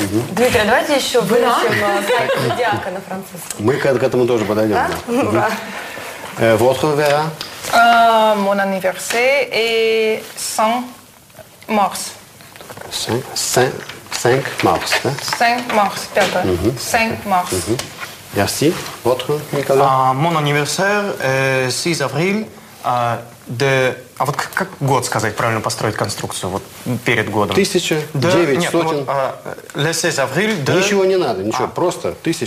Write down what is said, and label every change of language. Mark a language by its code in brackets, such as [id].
[ru] Дмитрий, давайте еще вынесем зодиака на французском. Мы к этому тоже подойдем. Да? [fr] Votre Vera? Mon anniversaire est 5 mars. 5 mars. 5 mars, pardon. 5 mars. Merci. Votre, Nicolas? Mon anniversaire est 6 avril. [ru] А вот как год сказать, правильно построить конструкцию вот перед годом? 1900. Ничего не надо, ничего, просто 1000.